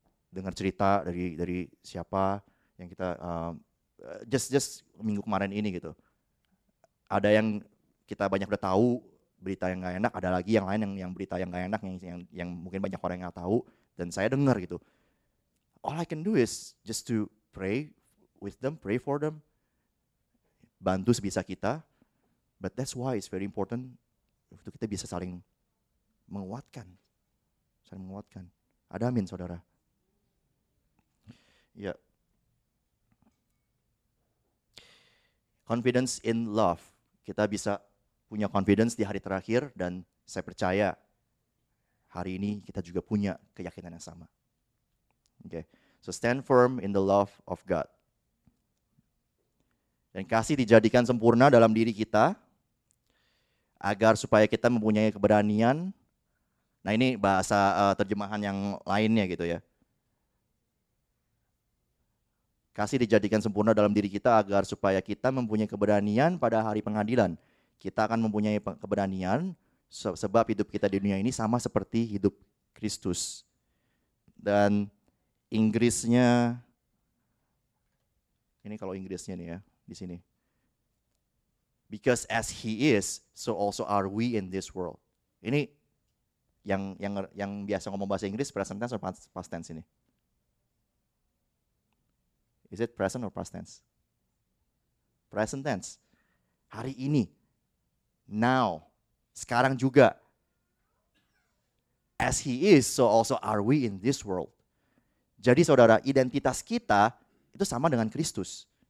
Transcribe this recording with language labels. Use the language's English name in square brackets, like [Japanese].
[Indonesian] Dengar cerita dari siapa yang kita just minggu kemarin ini gitu. Ada yang kita banyak udah tahu berita yang gak enak, ada lagi yang lain yang berita yang gak enak yang mungkin banyak orang yang gak tahu dan saya dengar gitu. [English] All I can do is just to pray with them, pray for them, [Indonesian] bantu sebisa kita. [English] But that's why it's very important [Indonesian] untuk kita bisa saling menguatkan. Ada amin saudara. Ya. [English] Confidence in love. Kita bisa punya confidence di hari terakhir dan saya percaya hari ini kita juga punya keyakinan yang sama. Okay. So stand firm in the love of God. [Indonesian] Dan kasih dijadikan sempurna dalam diri kita agar supaya kita mempunyai keberanian. Nah ini bahasa terjemahan yang lainnya gitu ya. Kasih dijadikan sempurna dalam diri kita agar supaya kita mempunyai keberanian pada hari pengadilan. Kita akan mempunyai keberanian sebab hidup kita di dunia ini sama seperti hidup Kristus. Dan Inggrisnya Ini kalau Inggrisnya nih ya, di sini. [English] Because as he is, so also are we in this world. [Indonesian] Ini yang biasa ngomong bahasa Inggris [English] present tense or past tense [Indonesian] ini? [English] Is it present or past tense? Present tense. [Indonesian] Hari ini. Now. Sekarang juga. [English] As he is, so also are we in this world. [Indonesian] Jadi saudara, identitas kita itu sama dengan Kristus.